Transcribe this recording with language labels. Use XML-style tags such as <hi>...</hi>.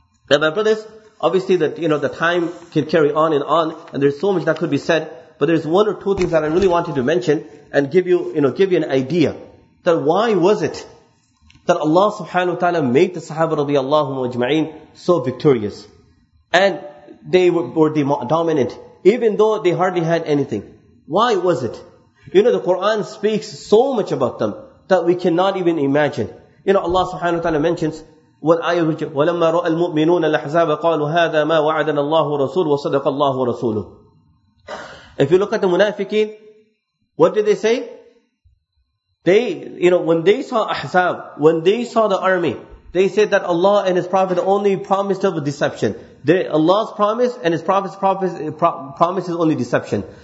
<en>Now my brothers, obviously that, you know, the time can carry on and on and there's so much that could be said, but there's one or two things that I really wanted to mention and give you an idea that why was it that Allah subhanahu wa ta'ala made the sahaba radiyallahu majma'in so victorious. And they were the dominant, even though they hardly had anything. Why was it? You know, the Quran speaks so much about them that we cannot even imagine. You know, Allah subhanahu wa ta'ala mentions,</en> <ar>وَلَمَّا رَأَى الْمُؤْمِنُونَ الْأَحْزَابَ قَالُوا هَذَا مَا وَعَدَنَا اللَّهُ رَسُولُ وَصَدَقَ اللَّهُ رَسُولُهُ.</ar> <en>If you look at the munafiqeen, what did they say? They, you know, when they saw Ahzab, when they saw the army, they said that Allah and His Prophet only promised of a deception. Allah's promise and His Prophet's promise is only deception.</en>